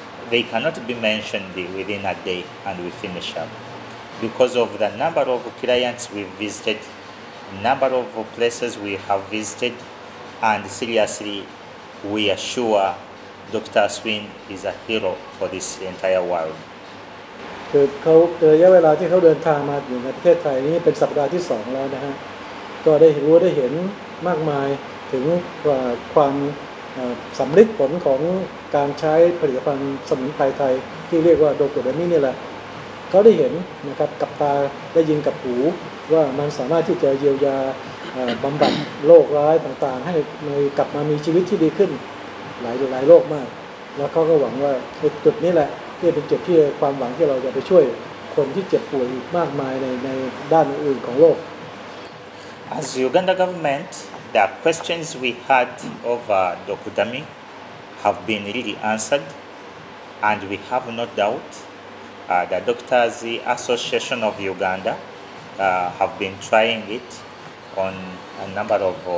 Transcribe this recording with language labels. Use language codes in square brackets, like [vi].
[en] they cannot be mentioned within a day and we finish up. Because of the number of clients we visited, number of places we have visited, and seriously, we are sure Dr. Aswin is a hero for this entire world. [th] คือเขาระยะเวลาที่เขาเดินทางมาอยู่ในประเทศไทยนี่เป็นสัปดาห์ที่2แล้วนะฮะก็ได้รู้ได้เห็นมากมายถึงความ สำลิดผลของการใช้ผลิตภัณฑ์สมุนไพรไทยที่เรียกว่าโดกูเดมี่นี่แหละเขาได้เห็นนะครับกับตาได้ยินกับหูว่ามันสามารถที่จะเยียวยาบำบัดโรคร้ายต่างๆให้กลับมามีชีวิตที่ดีขึ้นหลายโรคมากแล้วเขาก็หวังว่าจุดนี้แหละที่เป็นจุดที่ความหวังที่เราจะไปช่วยคนที่เจ็บป่วยมากมายในด้านอื่นของโลก [en] As Uganda government, the questions we had over Dokudami have been really answered, and we have no doubt the Doctors Association of UgandaHave been trying it on a number of